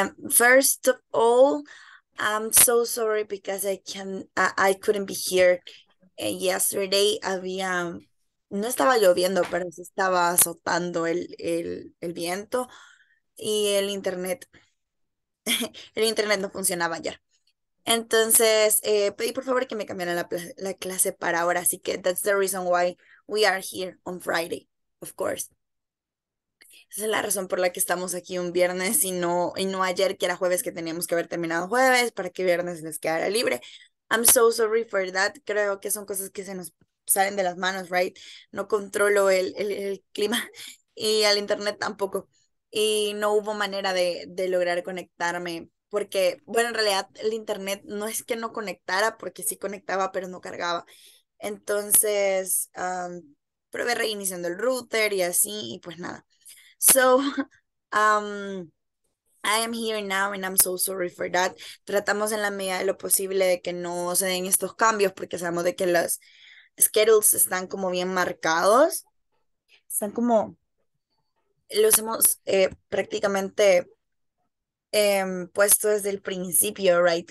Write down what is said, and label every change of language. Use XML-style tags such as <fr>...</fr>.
<en>First of all, I'm so sorry because I couldn't be here yesterday.</en> <es>Había no estaba lloviendo, pero se estaba azotando el viento y el internet no funcionaba ayer. Entonces, pedí por favor que me cambiaran la clase para ahora, así que</es> <en>that's the reason why we are here on Friday, of course.</en> <es>Esa es la razón por la que estamos aquí un viernes y no ayer, que era jueves, que teníamos que haber terminado jueves para que viernes les quedara libre.</es> <en>I'm so sorry for that.</en> <es>Creo que son cosas que se nos salen de las manos, right? No controlo el clima y al internet tampoco. Y no hubo manera de lograr conectarme porque, bueno, en realidad el internet no es que no conectara, porque sí conectaba, pero no cargaba. Entonces, probé reiniciando el router y así, y pues nada.</es> <en>So, I am here now and I'm so sorry for that.</en> <es>Tratamos en la medida de lo posible de que no se den estos cambios porque sabemos de que los schedules están como bien marcados. Están como, los hemos prácticamente puesto desde el principio, right?</es>